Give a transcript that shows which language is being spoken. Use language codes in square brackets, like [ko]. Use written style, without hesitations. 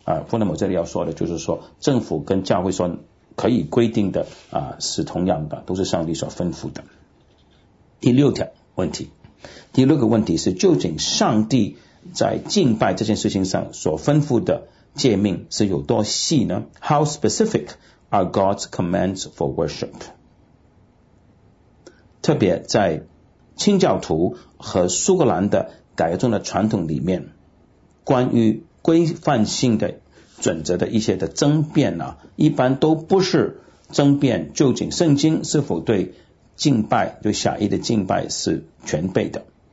[zh] 傅内姆这里要说的就是说，政府跟教会说可以规定的是同样的，都是上帝所吩咐的。第六条问题，第六个问题是，究竟上帝在敬拜这件事情上所吩咐的诫命是有多细呢？ [en] How specific are God's commands for worship? [zh] 特别在清教徒和苏格兰的改革中的传统里面，关于规范性的准则的一些的争辩呢，一般都不是争辩究竟圣经是否对敬拜，就狭义的敬拜是全备的。